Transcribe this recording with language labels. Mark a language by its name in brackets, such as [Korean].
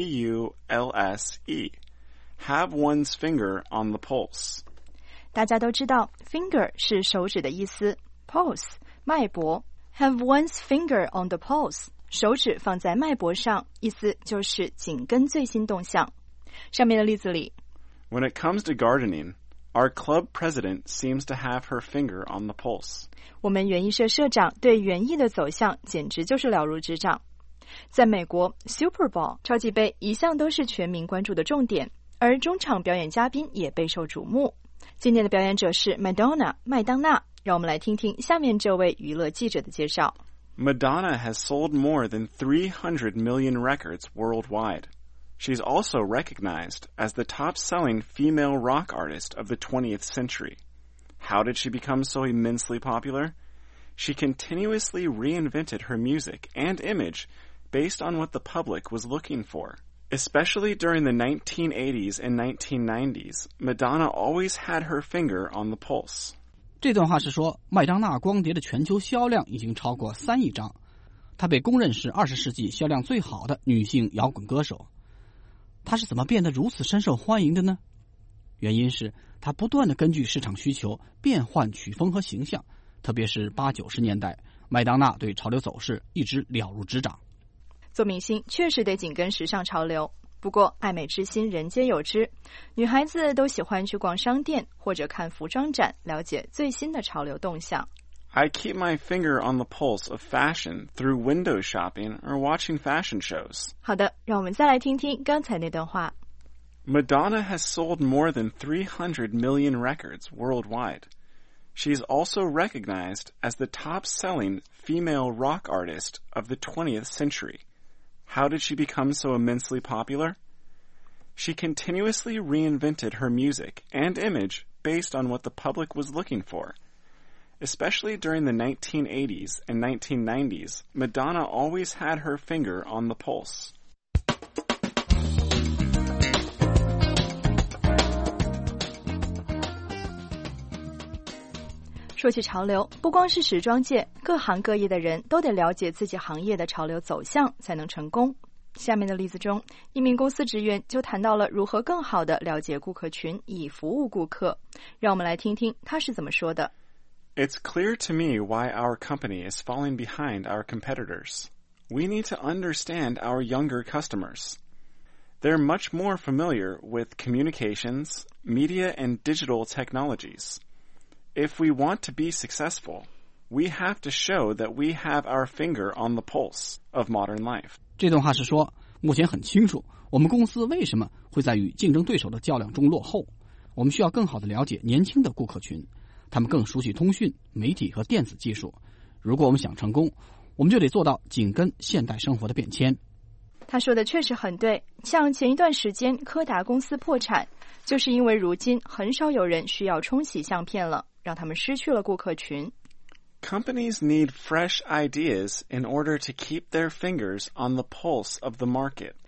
[English] P-U-L-S-E. Have one's finger on the pulse. [Chinese] 大家都知道 finger 是手指的意思 pulse, 脉搏 [English] Have one's finger on the pulse. [Chinese] 手指放在脉搏上，意思就是紧跟最新动向。上面的例子里 [English] When it comes to gardening, our club president seems to have her finger on the pulse. [Chinese] 我们园艺社社长对园艺的走向简直就是了如指掌。在美国 ,Super Bowl, 超级杯一向都是全民关注的重点，而中场表演嘉宾也备受瞩目。今年的表演者是 Madonna, 麦当娜。让我们来听听下面这位娱乐记者的介绍。 [English] Madonna has sold more than 300 million records worldwide. She's also recognized as the top-selling female rock artist of the 20th century. How did she become so immensely popular? She continuously reinvented her music and image based on what the public was looking for. Especially during the 1980s and 1990s, Madonna always had her finger on the pulse. [Chinese] 这段话是说，麦当娜光碟的全球销量已经超过3亿张。她被公认是20世纪销量最好的女性摇滚歌手。她是怎么变得如此深受欢迎的呢？原因是她不断地根据市场需求变换曲风和形象，特别是80-90年代，麦当娜对潮流走势一直了如指掌。做明星确实得紧跟时尚潮流，不过爱美之心人皆有之，女孩子都喜欢去逛商店或者看服装展，了解最新的潮流动向。 [English] I keep my finger on the pulse of fashion through window shopping or watching fashion shows. [Chinese] 好的，让我们再来听听刚才那段话。 [English] Madonna has sold more than 300 million records worldwide. She is also recognized as the top-selling female rock artist of the 20th century. How did she become so immensely popular? She continuously reinvented her music and image based on what the public was looking for. Especially during the 1980s and 1990s, Madonna always had her finger on the pulse. [Chinese] 说起潮流，不光是时装界，各行各业的人都得了解自己行业的潮流走向才能成功。下面的例子中，一名公司职员就谈到了如何更好地了解顾客群以服务顾客。让我们来听听他是怎么说的。 [English] It's clear to me why our company is falling behind our competitors. We need to understand our younger customers. They're much more familiar with communications, media, and digital technologies. If we want to be successful, we have to show that we have our finger on the pulse of modern life. [Chinese] 这段话是说，目前很清楚，我们公司为什么会在与竞争对手的较量中落后。我们需要更好地了解年轻的顾客群。他们更熟悉通讯、媒体和电子技术。如果我们想成功，我们就得做到紧跟现代生活的变迁。他说的确实很对，像前一段时间柯达公司破产，就是因为如今很少有人需要冲洗相片了，让他们失去了顾客群。 [English] Companies need fresh ideas in order to keep their fingers on the pulse of the market.